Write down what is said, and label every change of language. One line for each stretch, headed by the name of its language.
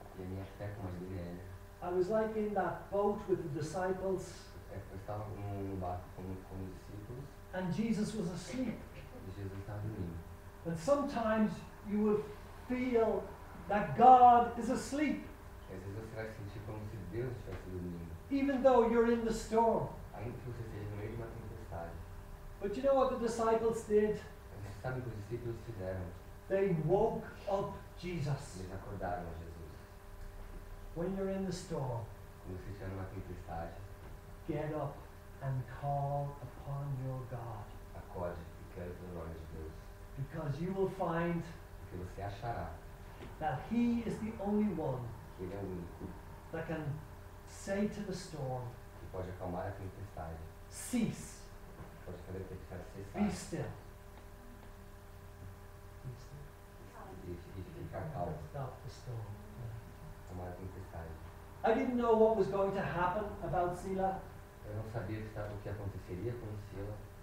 Portuguese: e a minha fé como a Daniel,
English: I was like in that boat with the disciples.
Portuguese: Eu estava num barco com os discípulos.
English: And Jesus was asleep.
Portuguese: E Jesus estava dormindo.
English: But sometimes you will feel that God is asleep.
Portuguese: Às vezes você vai sentir como se Deus estivesse dormindo.
English: Even though you're in the storm.
Portuguese: Ainda que você esteja no meio de uma tempestade.
English: But you know what the disciples did?
Portuguese: Sabe o que os discípulos fizeram?
English: They woke up Jesus.
Portuguese: Eles acordaram a Jesus.
English: When you're in the storm.
Portuguese: Quando você estiver numa tempestade.
English: Get up and call upon your God.
Portuguese: Acorde e clame pelo nome de Deus.
English: Because you will find.
Portuguese: Porque você achará.
English: That he is the only one
Portuguese: que ele é o único
English: that can say to the storm,
Portuguese: que pode acalmar a tempestade,
English: cease,
Portuguese: pode fazer que ele cessar,
English: be still.
Portuguese: E ficar calmo.
English: Stop the storm.
Portuguese: Acalmar a tempestade.
English: I didn't know what was going to happen about Sila.
Portuguese: Eu não sabia o que aconteceria com Sila.